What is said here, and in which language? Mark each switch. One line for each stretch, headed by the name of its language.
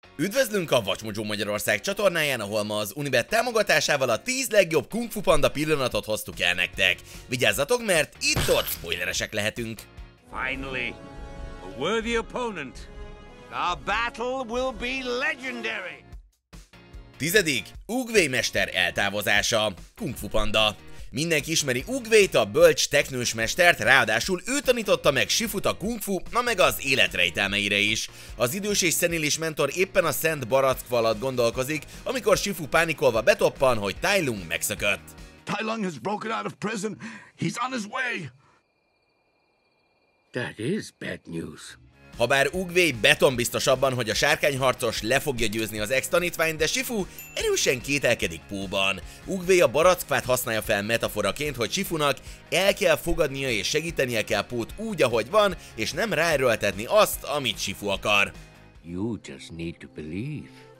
Hungarian: Üdvözlünk a Vacsmodzsó Magyarország csatornáján, ahol ma az Unibet támogatásával a 10 legjobb Kung Fu Panda pillanatot hoztuk el nektek. Vigyázzatok, mert itt-ott spoileresek lehetünk.
English: Finally, a worthy opponent. Our battle will be legendary.
Hungarian: 10. Oogway mester eltávozása. Kung Fu Panda. Mindenki ismeri Oogwayt, a bölcs teknős mestert, ráadásul ő tanította meg Shifut a kung fu, na meg az élet rejtelmeire is. Az idős és szenilis mentor éppen a Szent Barack alatt gondolkozik, amikor Shifu pánikolva betoppan, hogy Tai Lung megszökött.
English: Tai Lung has broken out of prison. He's on his way. That is bad news.
Hungarian: Habár Oogway betonbiztos abban, hogy a sárkányharcos le fogja győzni az ex-tanítványt, de Shifu erősen kételkedik Pooh-ban. Oogway a barackfát használja fel metaforaként, hogy Shifunak el kell fogadnia és segítenie kell Pooh-t úgy, ahogy van, és nem ráerőltetni azt, amit Shifu akar.
English: You just need to believe.